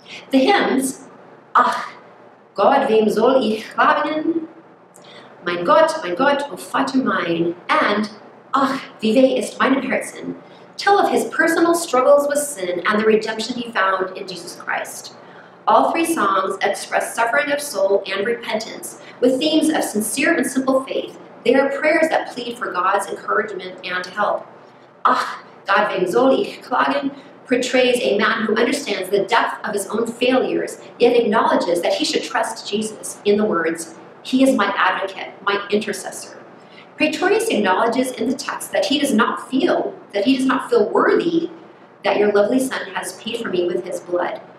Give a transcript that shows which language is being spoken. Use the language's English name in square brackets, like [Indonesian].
[English] The hymns, [German] "Ach, Gott, wem soll ich klagen?" Mein Gott, o Vater mein, [English] and [German] "Ach, vive ist mein Herzen," [English] tell of his personal struggles with sin and the redemption he found in Jesus Christ. All 3 songs express suffering of soul and repentance with themes of sincere and simple faith. They are prayers that plead for God's encouragement and help. [German] "Ach, Gott, wem soll ich klagen?" [English] portrays a man who understands the depth of his own failures, yet acknowledges that he should trust Jesus in the words, "He is my advocate, my intercessor." Praetorius acknowledges in the text that he does not feel worthy that your lovely son has paid for me with his blood.